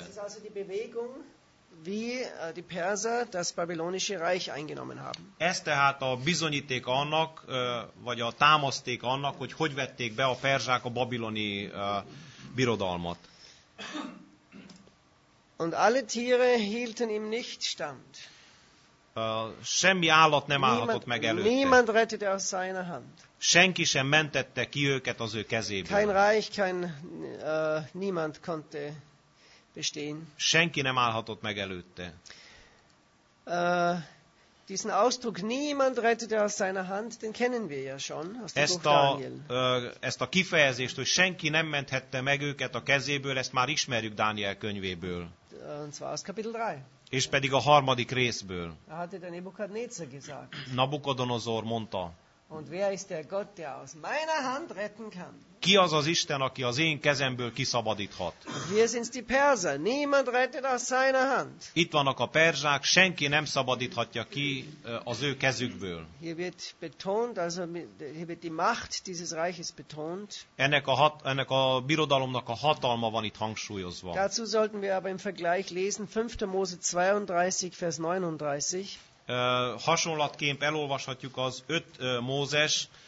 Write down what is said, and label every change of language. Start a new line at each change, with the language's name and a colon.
German: Das ist also die Bewegung, wie die Perser das babylonische Reich eingenommen haben.
Hungarian: Ez tehát a bizonyíték annak, vagy a támaszték annak, hogy hogy vették be a perzsák a babiloni birodalmat.
German: Und alle Tiere hielten ihm nicht stand.
Hungarian: Semmi állat nem állhatott meg előtte.
German: Niemand rettete aus seiner Hand.
Hungarian: Senki sem mentette ki őket az ő kezéből.
German: Kein Reich, kein niemand konnte bestehen.
Hungarian: Senki nem állhatott meg előtte.
German: Diesen Ausdruck, niemand rettete aus seiner Hand, den kennen wir ja schon, aus dem
Hungarian: ezt
German: Buch Daniel.
Hungarian: Ezt a kifejezést, hogy senki nem menthette meg őket a kezéből, ezt már ismerjük Dániel könyvéből.
German: Und zwar aus Kapitel 3.
Hungarian: És pedig a harmadik részből.
German: Hatte der Nebukadnezar gesagt.
Hungarian: Nabukodonozor mondta.
German: Und wer ist der Gott, der aus meiner Hand retten kann?
Hungarian: Ki az az Isten, aki az én kezemből kiszabadíthat?
German: Wir sind die Perser, niemand rettet aus seiner Hand.
Hungarian: Itt vannak a perzsák, senki nem szabadíthatja ki az ő kezükből.
German: Hier wird betont, also hier wird die Macht dieses Reiches betont.
Hungarian: Ennek a birodalomnak a hatalma van itt hangsúlyozva.
German: Dazu sollten wir aber im Vergleich lesen 5. Mose 32, Vers 39.
Hungarian: Hasonlatként elolvashatjuk az 5 Mózes